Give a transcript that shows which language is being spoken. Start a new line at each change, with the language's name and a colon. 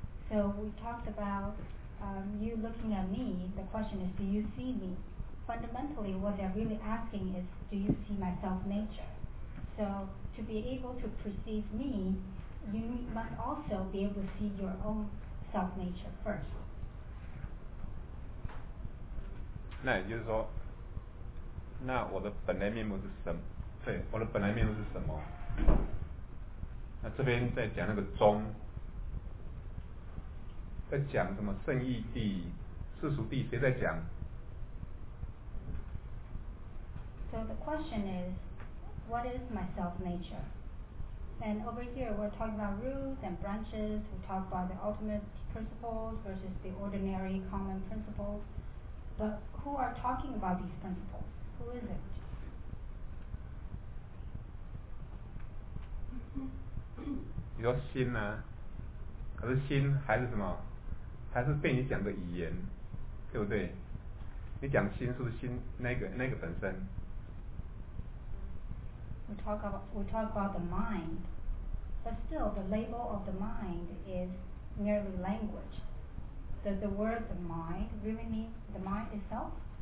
English: So we talked about you looking at me. The question is, do you see me? Fundamentally, what they're really asking is, do you see my self-nature? So to be able to perceive me, you must also be able to see your own self-nature first.
Chinese: 那也就是说，那我的本来面目是什么？对，我的本来面目是什么？那这边在讲那个宗，在讲什么圣义地、世俗地，谁在讲
English: ？So the question is. What is my self-nature? And over here, we're talking about roots and branches. We talk about the ultimate principles versus the ordinary common principles. But who are talking about these principles? Who is it? You say
Chinese: 心啊，可是心还是什么？还是被你讲的语言，对不对？你讲心是不是心那个本身？
English: We talk about the mind, but still the label of the mind is merely language. Does the word the mind really mean the mind itself?